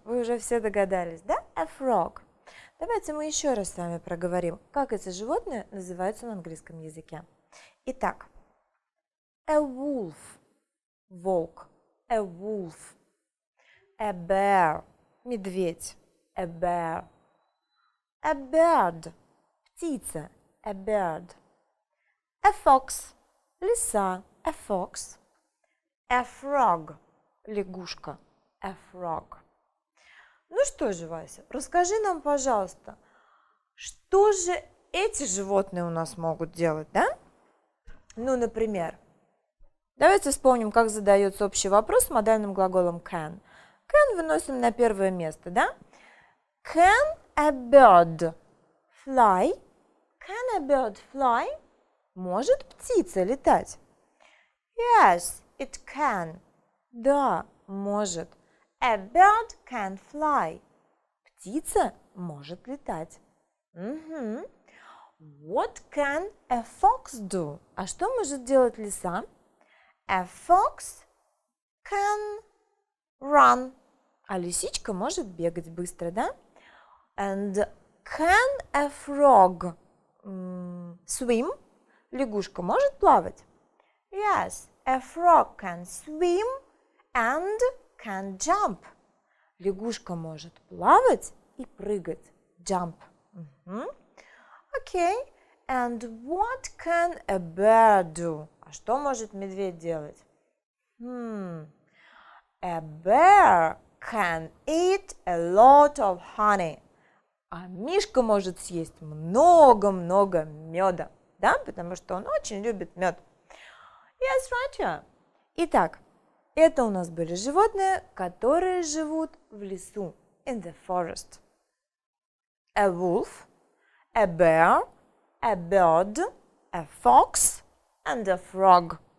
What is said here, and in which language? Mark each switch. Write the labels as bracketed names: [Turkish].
[Russian] Вы уже все догадались, да? [English] A frog. [Russian] Давайте мы еще раз с вами проговорим, как эти животные называются на английском языке. Итак, [English] a wolf. [Russian] Волк. [English] A wolf, a bear, медведь, a bear, a bird, птица, a bird, a fox, лиса, a fox, a frog, лягушка, a frog. [Russian] Ну что же, Вася, расскажи нам, пожалуйста, что же эти животные у нас могут делать, да? Ну, например, давайте вспомним, как задается общий вопрос с модальным глаголом can. Can выносим на первое место, да? [English] Can a bird fly? Can a bird fly? [Russian] Может птица летать? [English] Yes, it can. [Russian] Да, может. [English] A bird can fly. [Russian] Птица может летать. [English] What can a fox do? [Russian] А что может делать лиса? [English] A fox can run. [Russian] А лисичка может бегать быстро, да? [English] And can a frog swim? [Russian] Лягушка может плавать? [English] Yes, a frog can swim and can jump. [Russian] Лягушка может плавать и прыгать. [English] Jump. Okay, and what can a bear do? [Russian] А что может медведь делать? [English] A bear can eat a lot of honey. [Russian] А мишка может съесть много-много меда, да? Потому что он очень любит мед. [English] Yes, Roger. [Russian] Итак, это у нас были животные, которые живут в лесу. [English] In the forest. A wolf, a bear, a bird, a fox. And a frog.